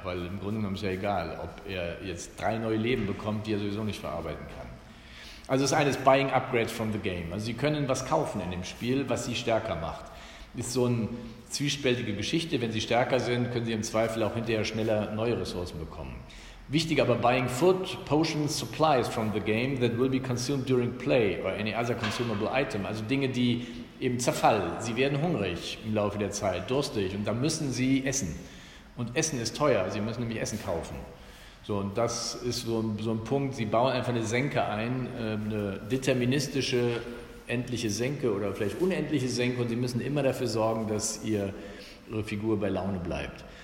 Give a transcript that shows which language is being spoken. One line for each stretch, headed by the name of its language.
German: Weil im Grunde genommen ist ja egal, ob er jetzt drei neue Leben bekommt, die er sowieso nicht verarbeiten kann. Also das eine ist
English: Buying Upgrades from the Game.
German: Also Sie können was kaufen in dem Spiel, was Sie stärker macht. ist so eine zwiespältige Geschichte. Wenn Sie stärker sind, können Sie im Zweifel auch hinterher schneller neue Ressourcen bekommen. Wichtig aber,
English: buying food, potions, supplies from the game that will be consumed during play or any other consumable item.
German: Also Dinge, die eben zerfallen. Sie werden hungrig im Laufe der Zeit, durstig und dann müssen Sie essen. Und Essen ist teuer, Sie müssen nämlich Essen kaufen. So, und das ist so ein Punkt, Sie bauen einfach eine Senke ein, eine deterministische, endliche Senke oder vielleicht unendliche Senke und Sie müssen immer dafür sorgen, dass Ihre Figur bei Laune bleibt.